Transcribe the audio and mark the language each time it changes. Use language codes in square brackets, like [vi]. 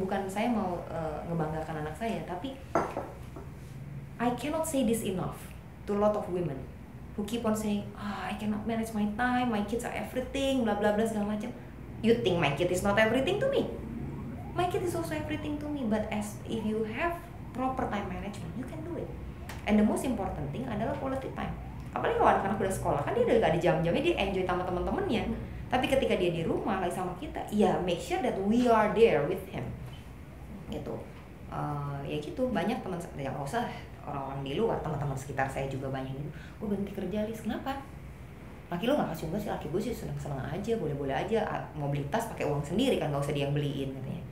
[id] Bukan saya mau ngebanggakan anak saya, tapi [en] I cannot say this enough to a lot of women who keep on saying, ah, I cannot manage my time, my kids are everything, bla bla bla [id] segala macam. [en] You think my kid is not everything to me? My kid is also everything to me. But as if you have proper time management, you can do it. And the most important thing adalah quality time. [id] Apalagi kalau anak-anak udah sekolah, kan dia udah gak ada jam-jamnya, dia enjoy sama teman-temannya. Tapi ketika dia di rumah lagi sama kita, ya [en] make sure that we are there with him. [id] Gitu. Ya gitu, banyak teman, ya gak usah orang-orang di luar, teman-teman sekitar saya juga banyak gitu. Gue berhenti kerja, Lis, kenapa? Laki lu gak kasih gue sih, laki gue sih seneng-seneng aja, boleh-boleh aja. Mau beli tas pakai uang sendiri kan, gak usah dia yang beliin katanya.